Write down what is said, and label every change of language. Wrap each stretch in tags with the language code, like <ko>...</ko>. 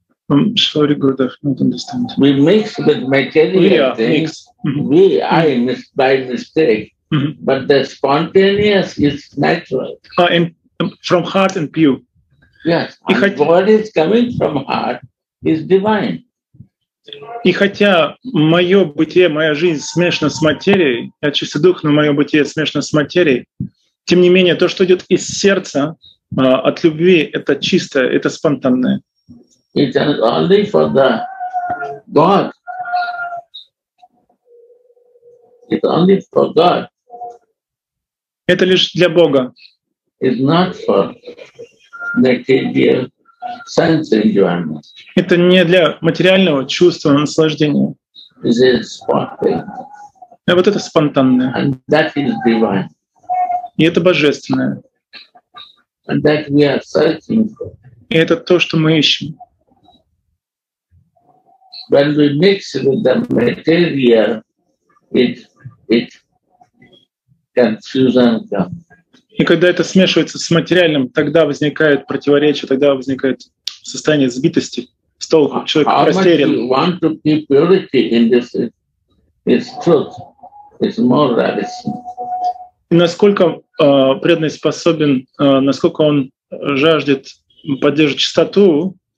<en>I'm sorry, Guru, I don't understand. We mix with material things. Mm-hmm. By mistake. Mm-hmm. But the spontaneous is natural. From heart and pure. Yes, and what is coming from heart is divine.</en> <ru>И хотя мое бытие, моя жизнь смешана с материей, я чистый дух, но мое бытие смешано с материей, тем не менее, то, что идет из сердца, от любви, это чистое, это спонтанное.</ru> <en>It is only for the God. It's only for God.</en> <ru>Это лишь для Бога.</ru> <en>It's not for material sense enjoyment.</en> <ru>Это не для материального чувства наслаждения.</ru> <en>This is spontaneous.</en> <ru>А вот это спонтанное.</ru> <en>And that is divine.</en> <ru>И это божественное.</ru> <en>And that we are searching for.</en> <ru>И это то, что мы ищем.</ru> <en>When we mix with the material, it confusion comes.</en> <ru>И когда это смешивается с материальным, тогда возникает противоречие, тогда возникает состояние сбитости, с толку, человек</ru> <en>how</en> <ru>растерян.</ru> <en>How much you want to keep purity in this is truth, is morality.</en> <ru>И насколько преданный способен, насколько он жаждет поддерживать чистоту.</ru>